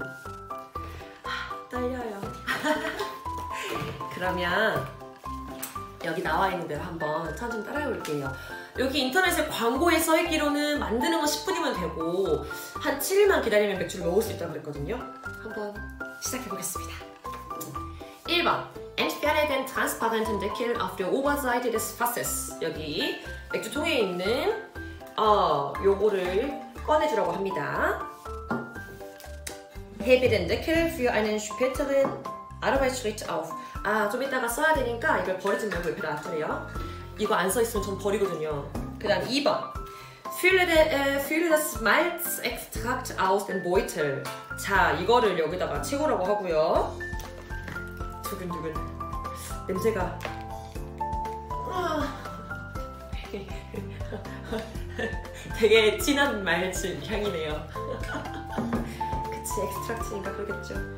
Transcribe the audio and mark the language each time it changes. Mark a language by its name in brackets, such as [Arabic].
[Korean] 아, 떨려요. 그러면 여기 나와 있는 대로 한번 천천히 따라해 볼게요. 여기 인터넷에 광고에 써 있기로는 만드는 건 10분이면 되고 한 7일만 기다리면 맥주를 먹을 수 있다고 그랬거든요. 한번 시작해 보겠습니다. [German] 1번 Entfernen den transparenten Deckel auf der Oberseite des Fasses. [Korean] 여기 맥주통에 있는 요거를 꺼내주라고 합니다. [German] Hebe den Deckel für einen späteren Arbeitsschritt auf. [Korean] 아, 좀 이따가 써야 되니까 이걸 버리지 말고 옆에 놔두래요. 이거 안 써있으면 전 버리거든요. 그 다음 2번 [German] Fülle das Malz Extrakt aus dem Beutel. [Korean] 자, 이거를 여기다가 채우라고 하고요. 두근두근 냄새가 되게 진한 말츠 향이네요. 그치, 엑스트랙트니까 그러겠죠.